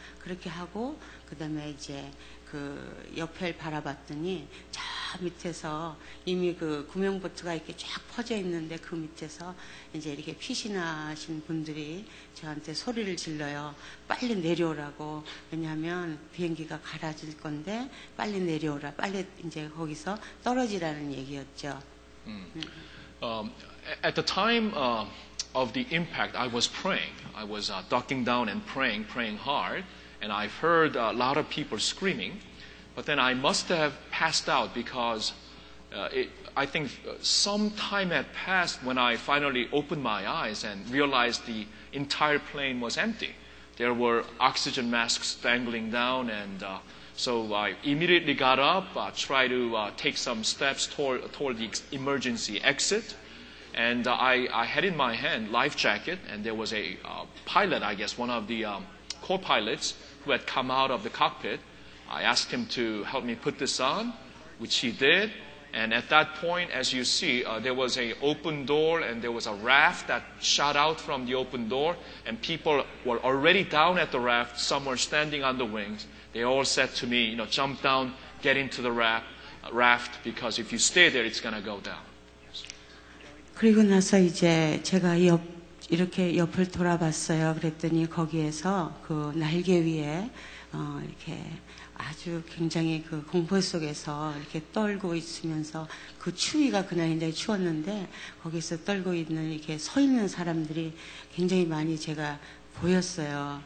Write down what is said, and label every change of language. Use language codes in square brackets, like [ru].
[ko] 그렇게 하고 그 다음에 이제 그 옆을 바라봤더니 저 밑에서 이미 그 구명보트가 이렇게 쫙 퍼져 있는데 그 밑에서 이제 이렇게 피신하신 분들이 저한테 소리를 질러요. 빨리 내려오라고. 왜냐하면 비행기가 갈아질 건데 빨리 내려오라. 빨리 이제 거기서 떨어지라는 얘기였죠. [en] At the time of the impact, I was praying. I was ducking down and praying hard. And I've heard a lot of people screaming, but then I must have passed out because I think some time had passed when I finally opened my eyes and realized the entire plane was empty. There were oxygen masks dangling down, and so I immediately got up, tried to take some steps toward the emergency exit, and I had in my hand life jacket, and there was a pilot, I guess, one of the core pilots, who had come out of the cockpit. I asked him to help me put this on, which he did. And at that point, as you see, there was an open door and there was a raft that shot out from the open door, and people were already down at the raft. Some were standing on the wings. They all said to me, you know, jump down, get into the raft, because if you stay there, it's going to go down. Yes. [ko] 그리고 나서 이제 제가 이렇게 옆을 돌아봤어요. 그랬더니 거기에서 그 날개 위에 이렇게 아주 굉장히 그 공포 속에서 이렇게 떨고 있으면서 그 추위가 그날 굉장히 추웠는데 거기서 떨고 있는 이렇게 서 있는 사람들이 굉장히 많이 제가 보였어요.